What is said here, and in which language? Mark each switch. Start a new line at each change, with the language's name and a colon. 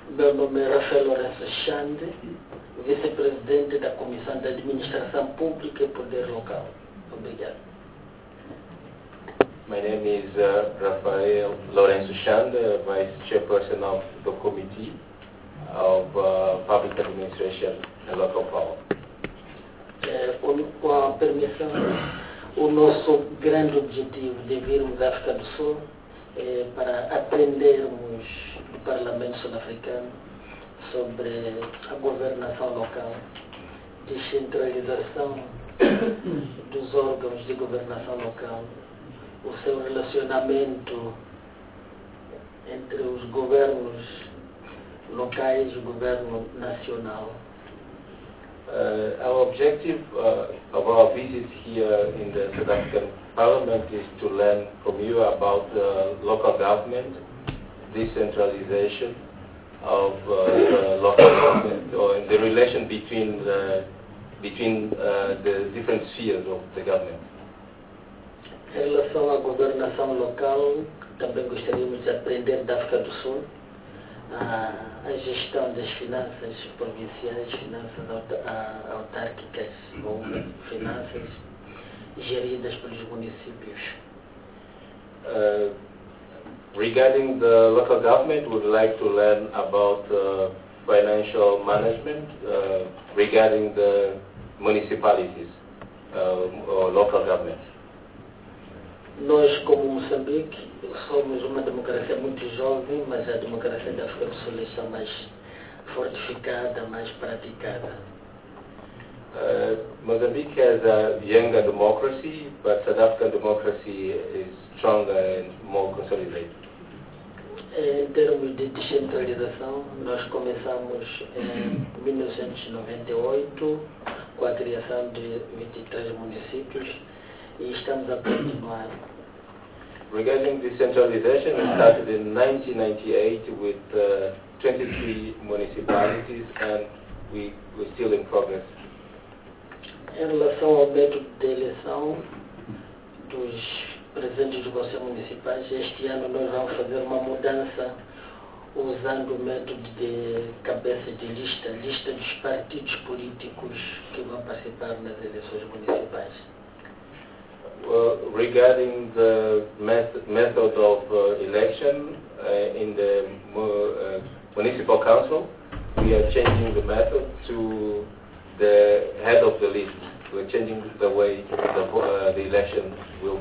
Portuguese: Meu nome é Rafael Lourenço Xande, vice-presidente da Comissão de Administração Pública e Poder Local. Obrigado.
English: My name is Rafael Lourenço Xande, vice-chairperson of the Committee of Public Administration and Local Power.
Portuguese: Com a permissão, o nosso grande objetivo de virmos à África do Sul é para aprendermos do Parlamento Sul-Africano sobre a governação local, descentralização dos órgãos de governação local, o seu relacionamento entre os governos locais e o governo nacional.
English: Our objective of our visit here in the South African Parliament is to learn from you about local government, decentralization of the local government, or the relation between the different spheres of the government.
Portuguese: Em relação à governação local, também gostaríamos de aprender da África do Sul a gestão das finanças provinciais, finanças autárquicas ou finanças geridas pelos municípios.
English: Regarding the local government, we would like to learn about financial management regarding the municipalities or local governments.
Portuguese: Nós, como Moçambique, somos uma democracia muito jovem, mas a democracia da África do Sul é mais fortificada, mais praticada.
English: Moçambique has a younger democracy, but South African democracy is stronger and more consolidated.
Portuguese: Em termos de descentralização, nós começamos em 1998 com a criação de 23 municípios e estamos a continuar.
English: Regarding decentralization, we started in 1998 with 23 municipalities and we're still in progress.
Portuguese: Em relação ao método de eleição dos presidentes de conselhos municipais, este ano nós vamos fazer uma mudança usando o método de cabeça de lista, lista dos partidos políticos que vão participar nas eleições municipais.
English: Regarding the method of election in the municipal council, we are changing the method to the head of the list. We're changing the way the election will